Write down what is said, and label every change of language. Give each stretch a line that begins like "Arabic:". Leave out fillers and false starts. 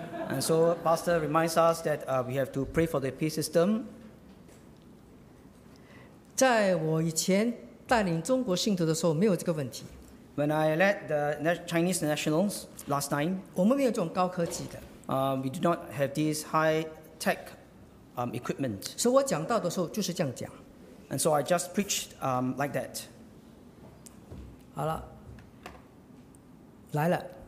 English: And so Pastor reminds us that we have to pray for the PA system.
Chinese: 在我以前带领中国信徒的时候，没有这个问题。
English: When I led the Chinese nationals last time,
Chinese: 我们没有这种高科技的。
English: We do not have these high tech equipment.
Chinese: 所以我讲到的时候就是这样讲。
English: And so I just preached like that.
Chinese: 好了，来了。